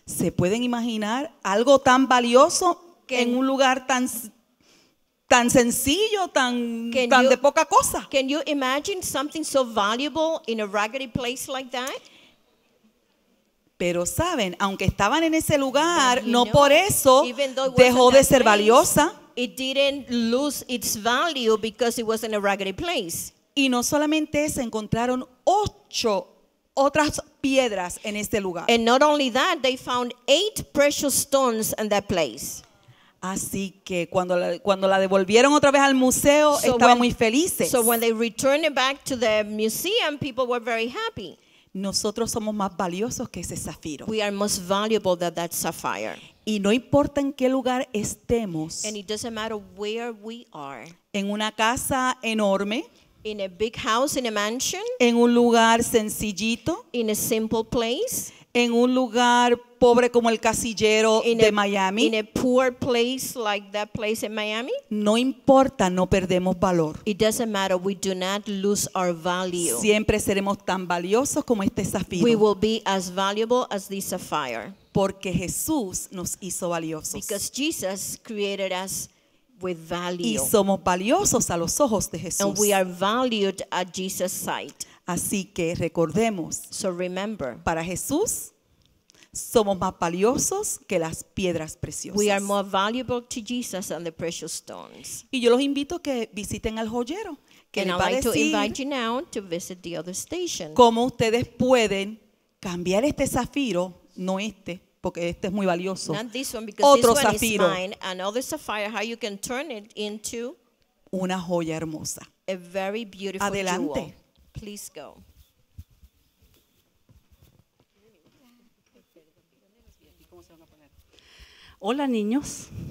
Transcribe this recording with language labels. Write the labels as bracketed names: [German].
[Spanish] ¿Se pueden imaginar algo tan valioso en un lugar tan tan sencillo, tan de poca cosa? [English] Can you imagine something so valuable in a raggedy place like that? [Spanish] Pero saben, aunque estaban en ese lugar, no por eso dejó de ser valiosa. [English] It didn't lose its value because it was in a raggedy place. [Spanish] Y no solamente se encontraron 8 otras piedras en este lugar. [English] And not only that, they found 8 precious stones in that place. [Spanish] Así que cuando la devolvieron otra vez al museo, estaban muy felices. [English] So when they returned it back to the museum, people were very happy. [Spanish] Nosotros somos más valiosos que ese zafiro. [English] We are most valuable than that sapphire. [Spanish] Y no importa en qué lugar estemos. [English] And it doesn't matter where we are. [Spanish] En una casa enorme. [English] In a big house, in a mansion. [Spanish] En un lugar sencillito. [English] In a simple place. [Spanish] En un lugar pobre como el casillero de Miami. [English] In a poor place like that place in Miami. [Spanish] No importa, no perdemos valor. [English] It doesn't matter, we do not lose our value. [Spanish] Siempre seremos tan valiosos como este zafiro. [English] We will be as valuable as this sapphire. [Spanish] Porque Jesús nos hizo valiosos. [English] Because Jesus created us with value. [Spanish] Y somos valiosos a los ojos de Jesús. [English] And we are valued at Jesus' sight. [Spanish] Así que recordemos, [English] so remember, [Spanish] para Jesús somos más valiosos que las piedras preciosas. [English] We are more valuable to Jesus than the precious stones. [Spanish] Y yo los invito a que visiten al joyero, que [English] and [Spanish] les va [English] I'd like [Spanish] decir [English] to invite you now to visit the other station. [Spanish] Cómo ustedes pueden cambiar este zafiro, no este, porque este es muy valioso. [English] Not this one, because [Spanish] otro [English] this one [Spanish] zafiro. [English] Is mine, another sapphire, how you can turn it into [Spanish] una joya hermosa. [English] A very beautiful [Spanish] adelante. [English] Jewel. Please go. [Spanish] Hola, niños.